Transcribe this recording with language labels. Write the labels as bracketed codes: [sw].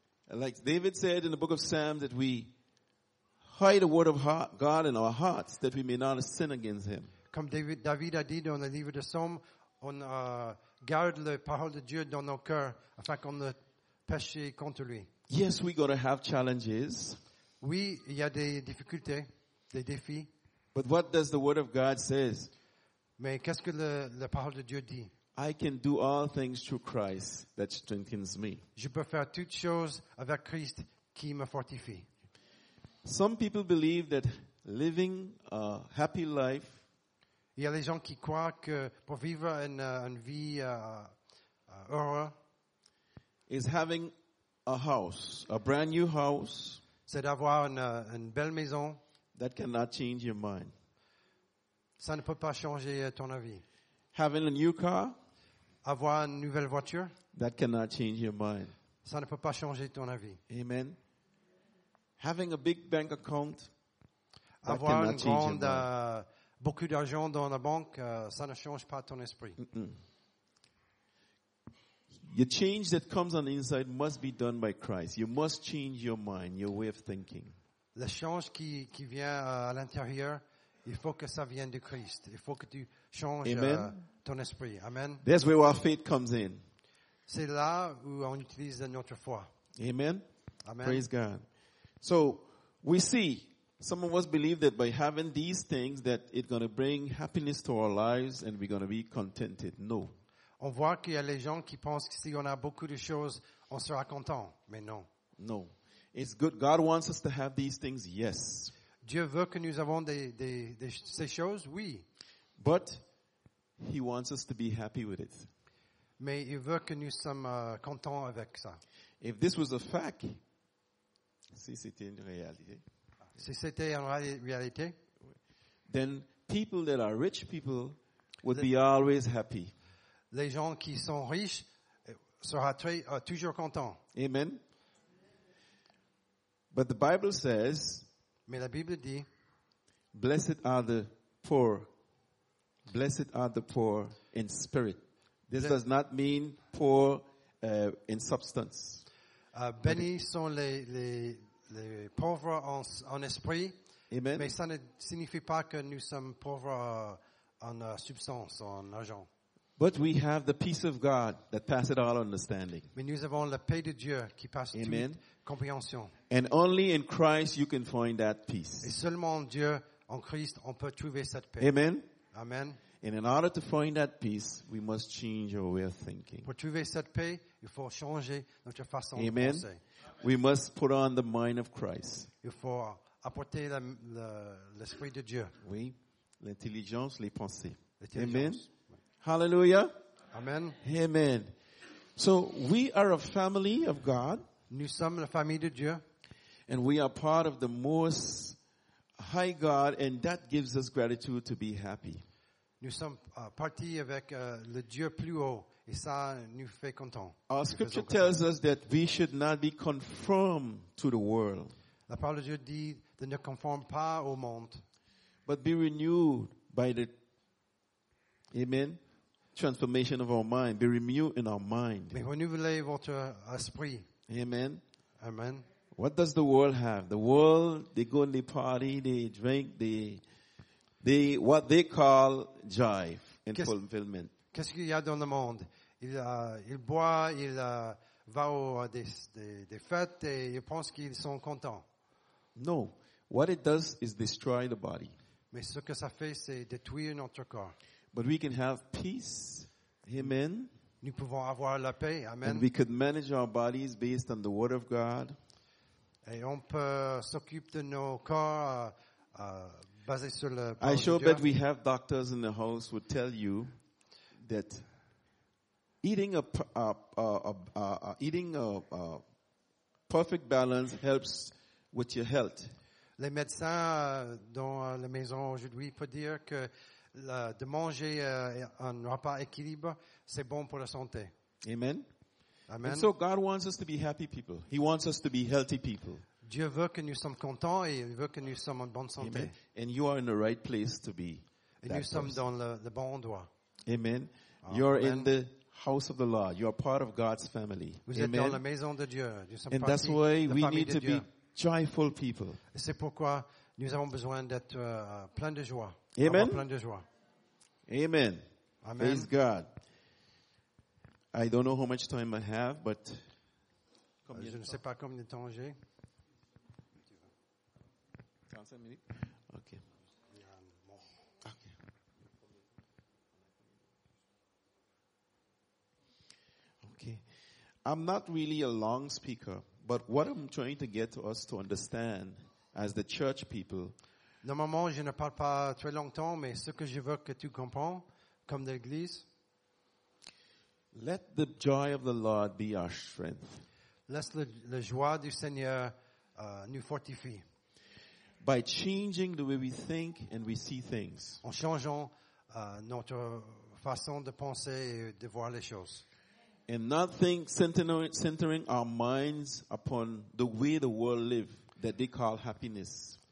[en] Like David said in the book of Psalms, that we hide the word of God in our hearts, that we may not sin against Him. [fr] Comme David a dit dans le livre de Psaumes, on garde la parole de Dieu dans nos cœurs afin qu'on ne pêche contre lui. [en] Yes, we gotta have challenges. [fr] Oui, il y a des difficultés, des défis. [en] But what does the word of God says? [fr] Mais qu'est-ce que la parole de Dieu dit? [en] I can do all things through Christ that strengthens me. [fr] Je peux faire toutes choses avec Christ qui me fortifie. [en] Some people believe that living a happy life. [fr] Il y a des gens qui croient que pour vivre une vie heureuse [en] is having a house, a brand new house. [fr] C'est d'avoir une belle maison. [en] That cannot change your mind. [fr] Ça ne peut pas changer ton avis. [en] Having a new car. [fr] Avoir une nouvelle voiture. [en] That cannot change your mind. [fr] Ça ne peut pas changer ton avis. [en] Amen. Having a big bank account. [fr] Avoir une grande, beaucoup d'argent dans la banque, ça ne change pas ton esprit. Mm-mm. [en] The change that comes on the inside must be done by Christ. You must change your mind, your way of thinking. [fr] Le change qui vient à l'intérieur, il faut que ça vienne de Christ. Il faut que tu changes ton esprit. Amen. [en] That's where our faith comes in. [fr] C'est là où on utilise notre foi. [en] Amen. Amen. Praise God. So, we see, some of us believe that by having these things that it's going to bring happiness to our lives and we're going to be contented. No. [fr] On voit qu'il y a les gens qui pensent que si on a beaucoup de choses, on sera content. Mais non. [en] No. It's good. God wants us to have these things. Yes. [fr] Dieu veut que nous avons des ces choses. Oui. [en] But He wants us to be happy with it. [fr] Mais il veut que nous sommes contents avec ça. [en] If this was a fact, [fr] si c'était une réalité, si c'était une réalité, [en] then people that are rich people would be always happy. [fr] Les gens qui sont riches seront toujours contents. [en] Amen. But the Bible says, [fr] mais la Bible dit, [en] blessed are the poor. Blessed are the poor in spirit. This does not mean poor in substance. [fr] Bénis sont les pauvres en esprit. [en] Amen. [fr] Mais ça ne signifie pas que nous sommes pauvres en substance, en argent. [en] But we have the peace of God that passes all understanding. [fr] Mais nous avons la paix de Dieu qui passe toute compréhension. [en] And only in Christ you can find that peace. [fr] Et seulement en Dieu, en Christ, on peut trouver cette paix. [en] Amen. Amen. And in order to find that peace, we must change our way of thinking. [fr] Pour trouver cette paix, il faut changer notre façon [en] Amen. [fr] De penser. [en] Amen. We must put on the mind of Christ. [fr] Il faut apporter l'esprit de Dieu. Oui. L'intelligence, les pensées. L'intelligence. [en] Amen. Hallelujah. Amen. Amen. So we are a family of God. [fr] Nous sommes la famille de Dieu. [en] And we are part of the most high God, and that gives us gratitude to be happy. [fr] Nous sommes partis avec le Dieu plus haut, et ça nous fait content. [en] Our scripture tells us that we should not be conformed to the world. [fr] La parole de Dieu dit de ne conformer pas au monde. [en] But be renewed by the Amen. Transformation of our mind. Be renewed in our mind. [fr] Mais renouvelez votre esprit. [en] Amen. Amen. What does the world have? The world, they go and they party, they drink, they what they call jive and fulfillment. [fr] Qu'est-ce qu'il y a dans le monde? Il boit, il va aux des fêtes et il pense qu'ils sont contents. [en] No. What it does is destroy the body. [fr] Mais ce que ça fait, c'est détruire notre corps. [en] But we can have peace. Amen. [fr] Nous pouvons avoir la paix. Amen. [en] And we could manage our bodies based on the word of God. [fr] Et on peut s'occuper de nos corps basés sur le [en] I sure bet we have doctors in the house who tell you that eating a perfect balance helps with your health. [fr] Les médecins dans la maison aujourd'hui peuvent dire que de manger un repas équilibré, c'est bon pour la santé. [en] Amen. Amen. And so God wants us to be happy people. He wants us to be healthy people. [fr] Dieu veut que nous sommes contents et il veut que nous sommes en bonne santé. [en] Amen. And you are in the right place to be. [fr] Et nous sommes dans le bon endroit. [en] Amen. You're in the house of the Lord. You are part of God's family. [fr] Vous êtes dans la maison de Dieu. [en] And that's why we need to be joyful people. [fr] Et c'est pourquoi nous avons besoin d'être plein de joie. [en] Amen. [fr] Plein de joie. [en] Amen. Praise God. I don't know how much time I have, but [fr] je ne sais pas combien de temps j'ai. [en] 35 minutes. Okay. I'm not really a long speaker, but what I'm trying to get us to understand as the church people. [fr] Normalement, je ne parle pas très longtemps, mais ce que je veux que tu comprennes, comme l'Église. [en] Let the joy of the Lord be our strength. [fr] Laisse la joie du Seigneur nous fortifier. [en] By changing the way we think and we see things. [fr] En changeant notre façon de penser et de voir les choses. [en] And not think centering our minds upon the way the world lives that they call happiness.